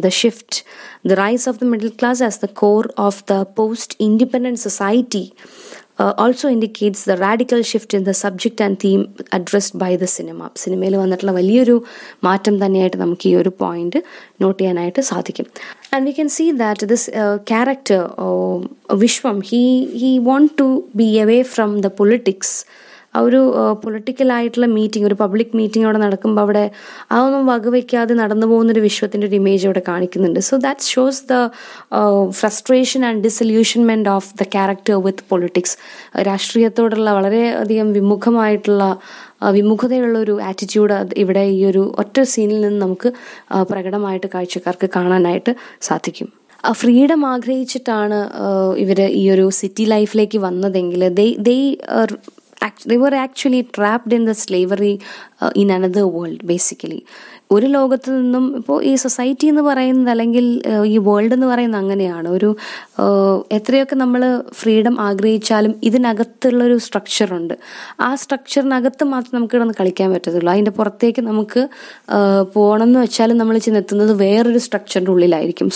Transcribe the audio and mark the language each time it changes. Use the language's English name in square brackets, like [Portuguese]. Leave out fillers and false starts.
[English] The shift, the rise of the middle class as the core of the post independent society also indicates the radical shift in the subject and theme addressed by the cinema. [Malayalam] സിനിമയിൽ വന്നിട്ടുള്ള വലിയൊരു മാറ്റം തന്നെയായിട്ട് നമുക്ക് ഈ ഒരു point not ചെയ്യാനായിട്ട് സാധിക്കും. [English] And we can see that this character Vishwam, he want to be away from the politics. [Malayalam] ഒരു പൊളിറ്റിക്കൽ ആയിട്ടുള്ള മീറ്റിംഗ്, ഒരു പബ്ലിക് മീറ്റിംഗ് അവിടെ നടക്കുമ്പോൾ അവിടെ അതൊന്നും വകവയ്ക്കാതെ നടന്നു പോകുന്നൊരു വിശ്വത്തിൻ്റെ ഒരു ഇമേജ് അവിടെ കാണിക്കുന്നുണ്ട്. [English] So that shows the frustration and disillusionment of the character with politics. [Malayalam] രാഷ്ട്രീയത്തോടുള്ള വളരെയധികം വിമുഖമായിട്ടുള്ള, വിമുഖതയുള്ളൊരു ആറ്റിറ്റ്യൂഡ് ഇവിടെ ഈ ഒരു ഒറ്റ സീനിൽ നിന്ന് നമുക്ക് പ്രകടമായിട്ട് കാഴ്ചക്കാർക്ക് കാണാനായിട്ട് സാധിക്കും. ഫ്രീഡം ആഗ്രഹിച്ചിട്ടാണ് ഇവർ ഈ ഒരു സിറ്റി ലൈഫിലേക്ക് വന്നതെങ്കിൽ ദേ [English] they were actually trapped in the slavery in another world, basically. [Malayalam] ഒരു ലോകത്ത് നിന്നും ഇപ്പോൾ ഈ സൊസൈറ്റി എന്ന് പറയുന്നത് അല്ലെങ്കിൽ ഈ വേൾഡ് എന്ന് പറയുന്നത് അങ്ങനെയാണ്. ഒരു എത്രയൊക്കെ നമ്മൾ ഫ്രീഡം ആഗ്രഹിച്ചാലും ഇതിനകത്തുള്ളൊരു സ്ട്രക്ചറുണ്ട്. ആ സ്ട്രക്ചറിനകത്ത് മാത്രം നമുക്ക് കിടന്ന് കളിക്കാൻ പറ്റത്തുള്ളൂ. അതിൻ്റെ പുറത്തേക്ക് നമുക്ക് പോകണം എന്ന് വെച്ചാലും നമ്മൾ ചെന്നെത്തുന്നത് വേറൊരു സ്ട്രക്ചറിൻ്റെ ഉള്ളിലായിരിക്കും.